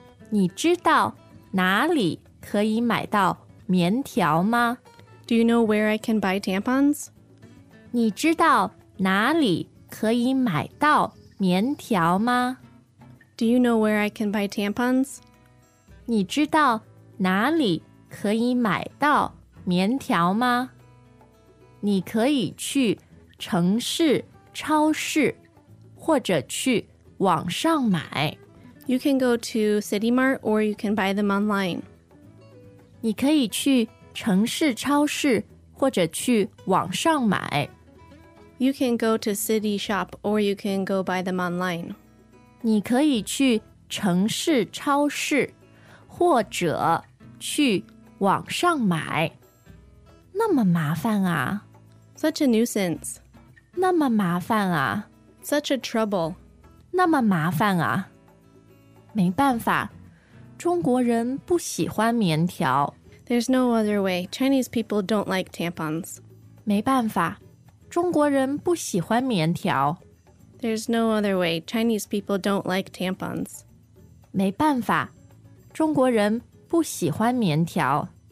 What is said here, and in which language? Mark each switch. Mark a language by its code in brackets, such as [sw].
[zh] 你知道哪里可以买到棉条吗? [en] Do you know where I can buy tampons? [zh] 你知道哪里可以买到棉条吗? [en] Do you know where I can buy tampons? [zh] 你知道哪里可以买到棉条吗? 你可以去城市超市或者去网上买。 [en] You can go to City Mart or you can buy them online. [zh] 你可以去城市超市或者去网上买。 [en] You can go to city shop or you can go buy them online. [zh] 你可以去城市超市或者去网上买。那么麻烦啊。 [en] Such a nuisance. [zh] 那么麻烦啊。 [en] Such a trouble. [zh] 那么麻烦啊。没办法。中国人不喜欢棉条。 [en] There's no other way. Chinese people don't like tampons. [zh] 没办法。中国人不喜欢棉条。 [en] There's no other way. Chinese people don't like tampons. [zh] 没办法，中国人不喜欢棉条。